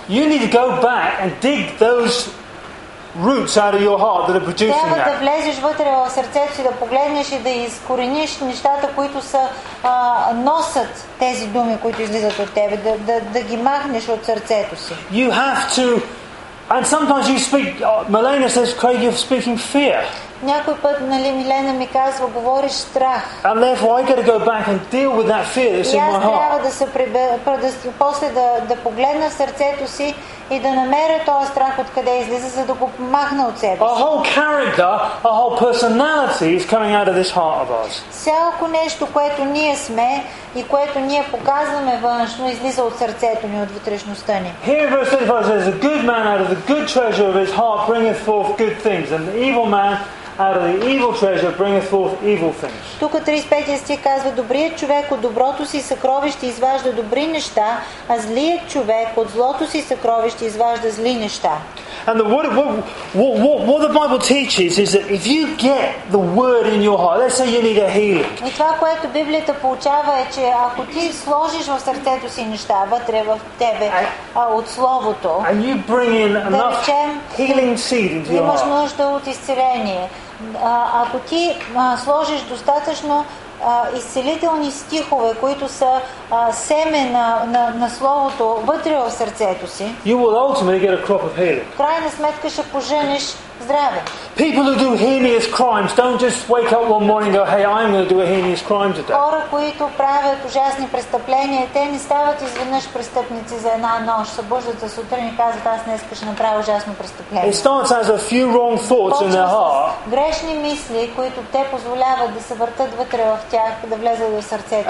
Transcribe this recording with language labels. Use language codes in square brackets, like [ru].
[en] you need to go back and dig those roots out of your heart that are producing that. [bg] Трябва да влезеш вътре в сърцето си, да погледнеш и да изкорениш нещата, които са носят тези думи, които излизат от тебе, да ги махнеш от сърцето си. [en] You have to. And sometimes you speak, Milena says, Craig, you're speaking fear. [bg] Някой път, нали, Милена ми казва, говориш страх. [en] And therefore I got to go back and deal with that fear that's in my heart. [bg] И аз трябва да се после да погледна в сърцето си и да намеря този страх откъде излиза, за да го махна от себе си. [en] A whole character, a whole personality is coming out of this heart of ours. [bg] Всяко нещо, което ние сме и което ние показваме външно, излиза от сърцето ни, от вътрешността ни. [en] Here verse 35 says, a good man out of the good treasure of his heart bringeth forth good things, and the evil man out of the evil treasure bringeth forth evil things. [bg] Тук 35 стих казва, добрият човек от доброто си съкровище изважда добри неща, а злият човек от злото си съкровище изважда зли неща. [en] And the word, what the Bible teaches is that if you get the word in your heart, let's say you need a healing. [bg] И това, което Библията получава е, че ако ти сложиш в сърцето си неща вътре в тебе от Словото, [en] and you bring in enough healing seed into your heart. [bg] Имаш нужда от изцеление. Ако ти сложиш достатъчно изцелителни стихове, които са семе на Словото вътре в сърцето си, [en] you will ultimately get a crop of healing. [bg] Крайна сметка ще пожениш здраве. [en] People who do heinous crimes don't just wake up one morning and go, hey, I'm going to do a heinous crime today. [bg] Хора, които правят ужасни престъпления, те не стават изведнъж престъпници за една нощ. Събуждат се сутрин и казват, аз днес ще направя ужасно престъпление. [en] It starts as a few wrong thoughts in their heart. [bg] Грешни мисли, които те позволяват да се въртат вътре в тях, да влезат в сърцето.